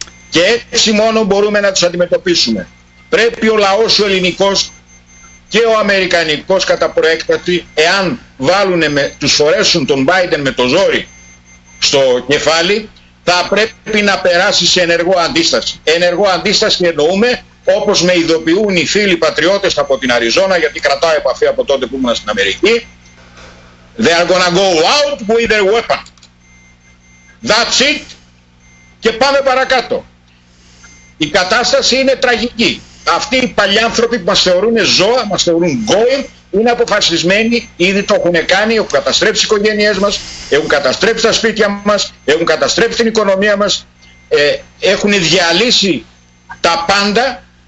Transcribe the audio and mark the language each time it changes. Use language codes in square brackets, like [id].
[el] Και έτσι μόνο μπορούμε να τους αντιμετωπίσουμε. Πρέπει ο λαός ο ελληνικός και ο αμερικανικός κατά προέκταση, εάν βάλουνε τους φορέσουν τον Biden με το ζόρι στο κεφάλι, θα πρέπει να περάσει σε ενεργό αντίσταση. Ενεργό αντίσταση εννοούμε, όπως με ειδοποιούν οι φίλοι πατριώτες από την Αριζόνα, γιατί κρατάω επαφή από τότε που ήμουν στην Αμερική. [en] They are gonna go out with their weapon. That's it. [el] Και πάμε παρακάτω. Η κατάσταση είναι τραγική. Αυτοί οι παλιά άνθρωποι που μας θεωρούν ζώα, μας θεωρούν γκόιμ, είναι αποφασισμένοι, ήδη το έχουν κάνει, έχουν καταστρέψει οι οικογένειές μας, έχουν καταστρέψει τα σπίτια μας, έχουν καταστρέψει την οικονομία μας, έχουν διαλύσει τα πάντα.